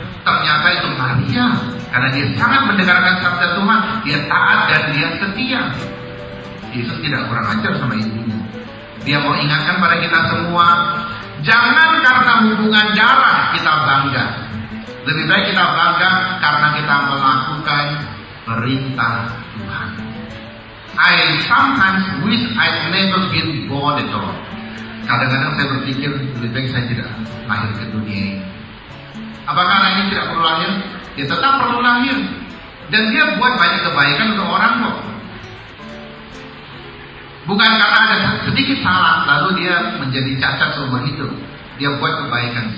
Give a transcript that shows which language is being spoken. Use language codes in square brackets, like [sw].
[id] Ternyata itu Maria, karena dia sangat mendengarkan sabda Tuhan, dia taat dan dia setia. Yesus tidak kurang ajar sama ibunya. Dia mau ingatkan pada kita semua, jangan karena hubungan darah kita bangga. Lebih baik kita bangga karena kita melakukan perintah Tuhan. [en] I sometimes wish I'd never been born at all. [id] Kadang-kadang saya berpikir lebih baik saya tidak lahir ke dunia ini. Apakah anak ini tidak perlu lahir? Dia tetap perlu lahir. Dan dia buat banyak kebaikan untuk orang kok. Bukan karena ada sedikit salah lalu dia menjadi cacat seumur hidup. Dia buat kebaikan.